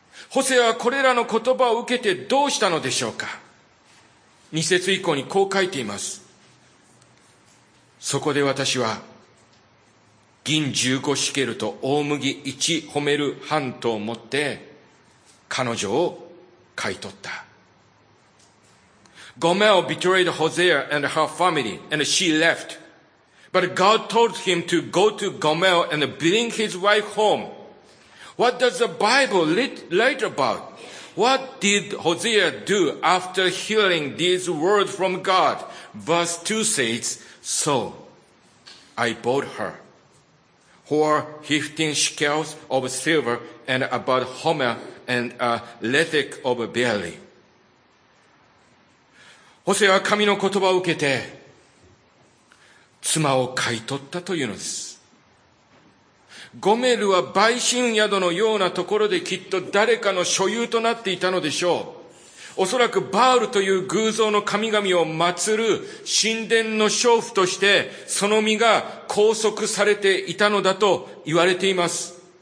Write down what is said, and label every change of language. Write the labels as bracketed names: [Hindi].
[Japanese] ホセアはこれらの言葉を受けてどうしたのでしょうか。二節以降にこう書いています。そこで私は銀十五シケルと大麦一褒める半斗を持って彼女を買い取った。 [English] Gomer betrayed Hosea and her family, and she left. But God told him to go to Gomer and bring his wife home. What does the Bible write about? What did Hosea do after hearing these words from God? Verse 2 says, So I bought her. For 15 shekels of silver and about homer and a lethek of barley. [Japanese] ホセアは神の言葉を受けて妻を買い取ったというのです。ゴメルは売春宿のようなところできっと誰かの所有となっていたのでしょう。おそらくバールという偶像の神々を祀る神殿の娼婦としてその身が拘束されていたのだと言われています。